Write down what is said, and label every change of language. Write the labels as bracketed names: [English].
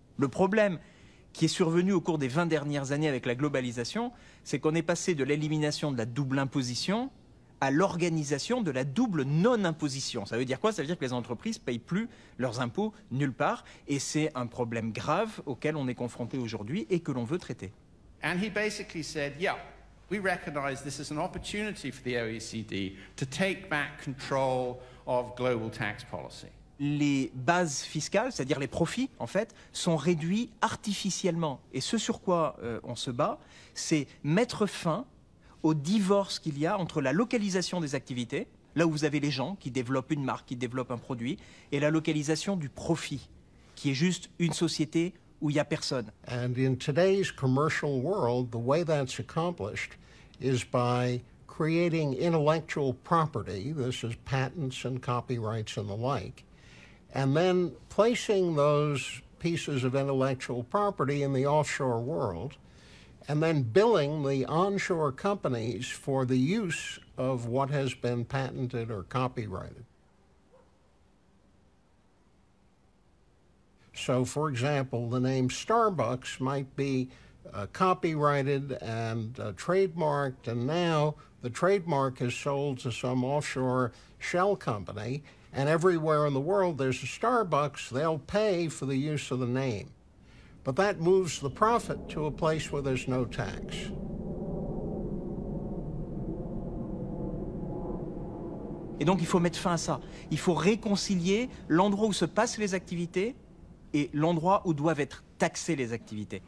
[French] Le problème qui est survenu au cours des 20 dernières années avec la globalisation, c'est qu'on est passé de l'élimination de la double imposition à l'organisation de la double non-imposition. Ça veut dire quoi? Ça veut dire que les entreprises ne payent plus leurs impôts nulle part. Et c'est un problème grave auquel on est confronté aujourd'hui et que l'on veut traiter. [English] And he basically said, yeah, we recognize this is an opportunity for the OECD to take back control of global tax policy. [French] Les bases fiscales, c'est-à-dire les profits, en fait, sont réduits artificiellement. Et ce sur quoi on se bat, c'est mettre fin au divorce qu'il y a entre la localisation des activités, là où vous avez les gens qui développent une marque, qui développent un produit, et la localisation du profit, qui est juste une société où il n'y a personne. [English] And in today's commercial world, the way that's accomplished is by creating intellectual property, this is patents and copyrights and the like, and then placing those pieces of intellectual property in the offshore world, and then billing the onshore companies for the use of what has been patented or copyrighted. So, for example, the name Starbucks might be copyrighted and trademarked, and now the trademark is sold to some offshore shell company, and everywhere in the world there's a Starbucks, they'll pay for the use of the name. But that moves the profit to a place where there's no tax. [French] Et donc il faut mettre fin à ça. Il faut réconcilier l'endroit où se passent les activités et l'endroit où doivent être taxées les activités.